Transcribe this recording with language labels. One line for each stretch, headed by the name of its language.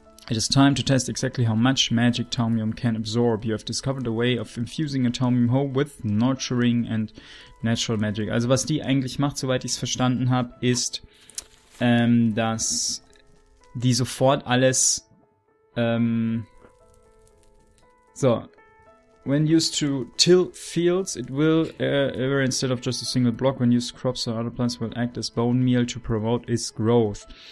English: It is time to test exactly how much magic Taumium can absorb. You have discovered a way of infusing a Taumium Hoe with nurturing and natural magic.
German: Also was die eigentlich macht, soweit ich es verstanden habe, ist, dass die sofort alles, so.
English: When used to till fields, it will, instead of just a single block, when used crops or other plants, will act as bone meal to promote its growth.